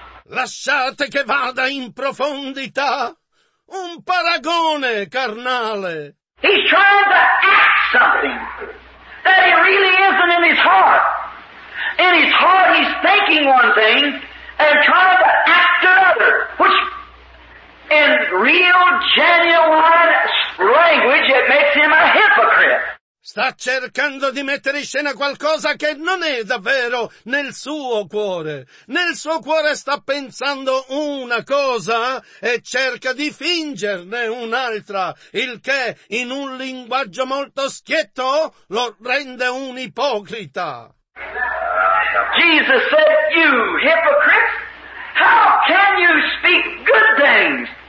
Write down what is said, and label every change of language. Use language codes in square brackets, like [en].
[it] Lasciate che vada in profondità. Un paragone carnale. [en] He's trying to act something that he really isn't in his heart. In his heart he's thinking one thing and trying to act another, which in real, genuine language, it makes him a hypocrite. [it] Sta cercando di mettere in scena qualcosa che non è davvero nel suo cuore. Nel suo cuore sta pensando una cosa e cerca di fingerne un'altra, il che, in un linguaggio molto schietto, lo rende un ipocrita. [en] Jesus said, you hypocrite, how can you speak good things?